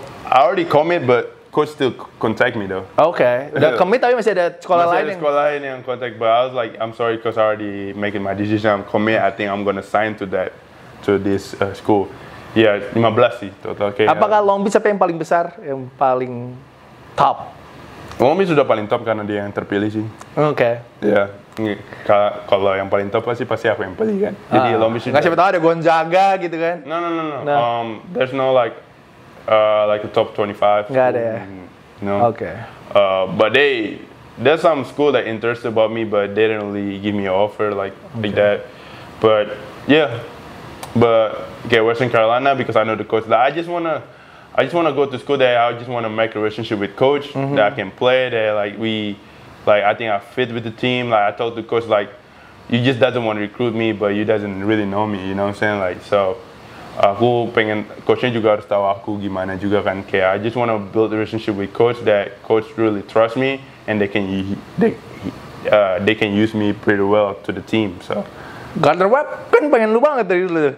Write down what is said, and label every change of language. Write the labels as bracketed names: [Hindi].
[English] I already commit, but coach still contact me though. [Indonesian] Okay. Udah commit tapi masih ada sekolah lain. Masih ada sekolah lain yang contact, [English] but I was like, I'm sorry, coach already making my decision. I'm commit. I think I'm gonna sign to this school. Yeah, 15 sih total. Okay. [Indonesian] Apakah Long Beach apa yang paling besar, yang paling top? Long Beach sudah paling top karena dia yang terpilih sih. [English] Okay. Yeah. [Indonesian] Kalau yang paling top pasti aku yang pilih kan. Jadi Long Beach. Nggak siapa tahu ada Gonzaga gitu kan? [English] No. There's no like a top 25. [Indonesian] Nggak ada. Ya. [English] No. Okay. But there's some school that interested about me, but they didn't really give me an offer like that. But yeah. But okay, Western Carolina because I know the coach. Like, I just wanna go to school there. I just wanna make a relationship with coach that I can play there. Like I think I fit with the team. Like I told the coach, like you just doesn't want to recruit me, but you doesn't really know me. You know what I'm saying? Like so, [Indonesian] aku pengen coachnya juga harus tahu aku gimana juga kan. [English] Kayak I just want to build a relationship with coach that coach really trust me and they can use me pretty well to the team. So, [Indonesian] Gardner Webb kan pengen lu banget dari dulu.